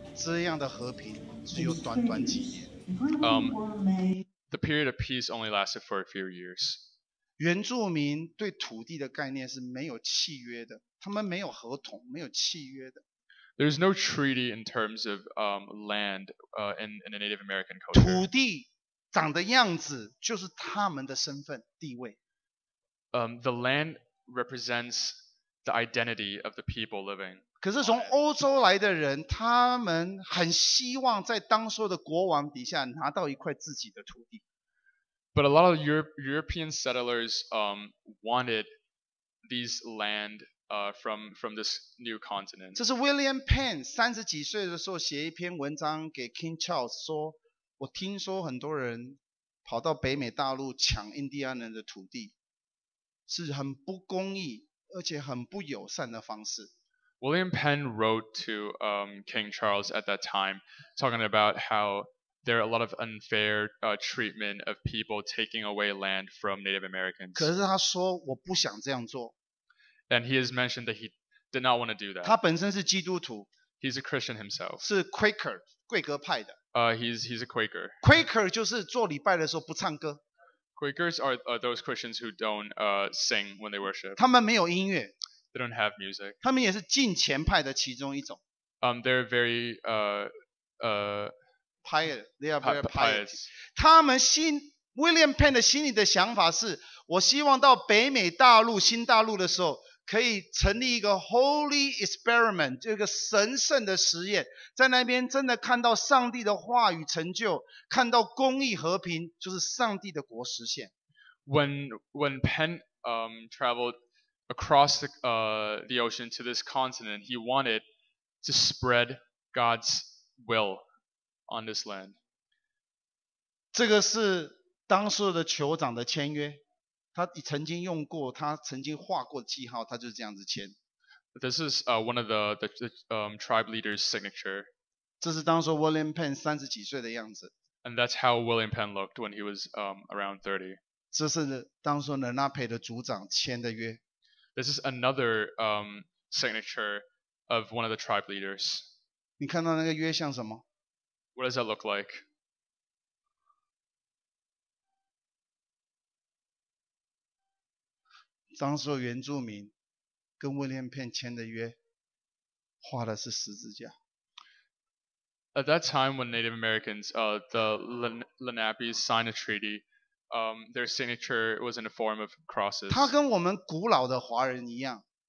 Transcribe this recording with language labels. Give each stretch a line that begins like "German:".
Chinese: 这样的和平只有短短几年。
English: The period of peace only lasted for a few years.
Chinese: 原住民对土地的概念是没有契约的，他们没有合同，没有契约的。
English: There is no treaty in terms of land in the Native American culture.
Chinese: 土地长的样子就是他们的身份地位。
English: The land represents the identity of the people living.
Chinese: 可是从欧洲来的人，他们很希望在当时的国王底下拿到一块自己的土地。
English: But a lot of European settlers wanted these land from this new continent.
Chinese: 这是 William Penn 三十几岁的时候写一篇文章给 King Charles 说，我听说很多人跑到北美大陆抢印第安人的土地，是很不公义而且很不友善的方式。
English: William Penn wrote to King Charles at that time, talking about how there are a lot of unfair treatment of people taking away land from Native Americans.
Chinese: 可是他说我不想这样做。
English: And he has mentioned that he did not want to do that.
Chinese: 他本身是基督徒。
English: He's a Christian himself.
Chinese: 是 Quaker, 贵格派的。
English: He's a Quaker.
Chinese: Quaker 就是做礼拜的时候不唱歌。
English: Quakers are those Christians who don't sing when they worship.
Chinese: 他们没有音乐。
English: They don't have music.
Chinese: 他们也是敬虔派的其中一种。
English: They're very pious. They are very pious.
Chinese: 他们信 William Penn 的心里的想法是，我希望到北美大陆新大陆的时候，可以成立一个
English: holy experiment，
Chinese: 这个神圣的实验，在那边真的看到上帝的话语成就，看到公义和平，就是上帝的国实现。
English: When Penn traveled across the ocean to this continent, he wanted to spread God's will on this land.
Chinese: 这个是当时的酋长的签约。他曾经用过，他曾经画过记号，他就是这样子签。
English: This is one of the tribe leader's signature.
Chinese: 这是当时 William Penn 三十几岁的样子。
English: And that's how William Penn looked when he was around 30.
Chinese: 这是当时 Lenape 的族长签的约。
English: This is another signature of one of the tribe leaders.
Chinese: 你看到那个约像什么？
English: What does that look like?
Chinese: 当时原住民跟威廉片签的约画的是十字架。
English: At that time when Native Americans, the Lenape signed a treaty, their signature was in the form of crosses.
Chinese: 他跟我们古老的华人一样。